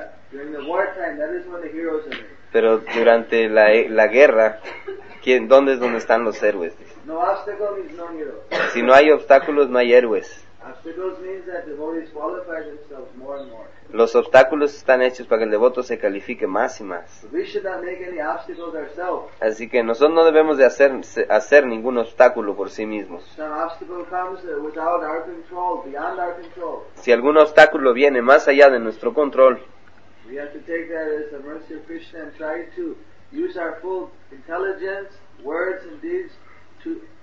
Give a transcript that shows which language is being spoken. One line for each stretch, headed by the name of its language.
English: During the wartime, that is when the heroes are there.
Spanish: Pero durante la guerra, ¿dónde es donde están los héroes?
English: No obstacles means no heroes.
Spanish: Si no hay obstáculos, no hay héroes.
English: Obstacles means that devotees qualify themselves more and more.
Spanish: Los obstáculos están hechos para que el devoto se califique más y más.
English: We should not make any obstacles ourselves.
Spanish: Así que nosotros no debemos de hacer ningún obstáculo por sí mismos.
English: Some obstacle comes without our control, beyond our control.
Spanish: Si algún obstáculo viene más allá de nuestro control,
English: we have to take that as a mercy of Krishna and try to use our full intelligence, words and deeds to